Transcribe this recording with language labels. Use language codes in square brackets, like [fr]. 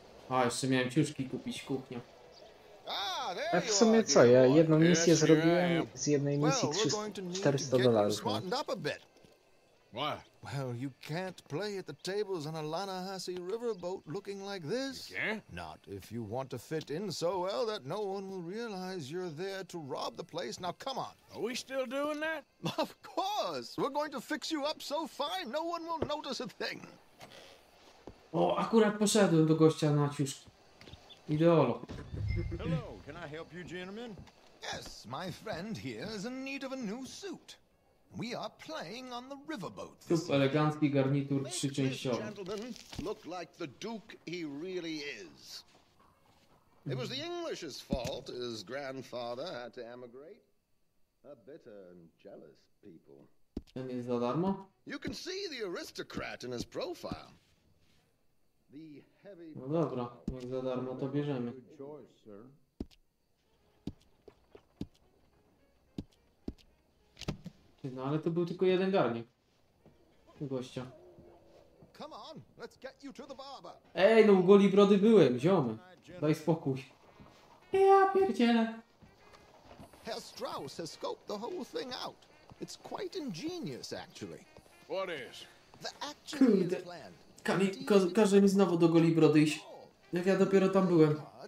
[pl] A, jeszcze miałem ciuszki kupić, kuchnia. A, Tak w sumie co, ja jedną misję zrobiłem, z jednej misji $400. [en] Why? Well, you can't play at the tables on a Lanahassee riverboat looking like this. You can't? Not if you want to fit in so well that no one will realize you're there to rob the place. Now, come on. Are we still doing that? Of course. We're going to fix you up so fine, no one will notice a thing. [pl] O, akurat poszedłem do gościa na ciuszki. Ideolog. [en] Hello, can I help you, gentlemen? Yes, my friend here is in need of a new suit. We are playing on the riverboat. [pl] Tup elegancki garnitur trzyczęściowy. [en] Look like the duke he really is. It was the English's fault his grandfather had to emigrate. A bitter and jealous people. [pl] Ten jest za darmo? [en] You can see the aristocrat in his profile. The heavy. [pl] No dobra, niech za darmo to bierzemy. No ale to był tylko jeden garnik gościa. [en] Come on, let's get you to the barber. [pl] Ej, no u goli brody byłem, ziomy. Daj spokój. Ja pierdzielę. [en] Herr Strauss has scoped the whole thing out. It's quite ingenious actually. What is? The actual plan. [pl] Kali, każe mi znowu do goli brody iść. Jak ja dopiero tam byłem.